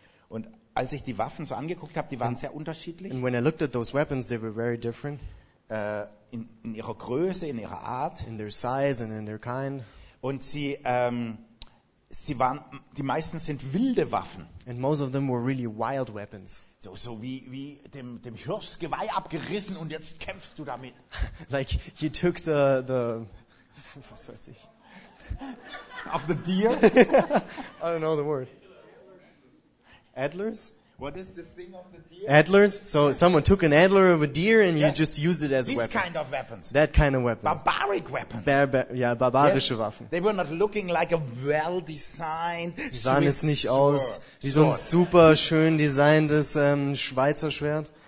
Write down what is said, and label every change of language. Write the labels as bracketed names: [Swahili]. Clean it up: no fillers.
[German] Und als ich die Waffen so angeguckt habe, die waren sehr unterschiedlich. [English] And when I looked at those weapons, they were very different. [German] In ihrer Größe, in ihrer Art. [English] In their size and in their kind. [German] Und die meisten sind wilde Waffen. [English] And most of them were really wild weapons. [German] So wie dem Hirsch Geweih abgerissen und jetzt kämpfst du damit. [English] Like you took the [German] was weiß ich. [English] Of the deer. I don't know the word. Adlers? What is the thing of the deer? Adlers? So someone took an antler of a deer and you just used it as a weapon. This kind of weapons. That kind of weapon. Barbaric weapons. [German] Barbarische Waffen. [English] They were not looking like a well-designed Swiss sword. [German] Sahen es nicht aus wie so ein super schön designtes Schweizer Schwert.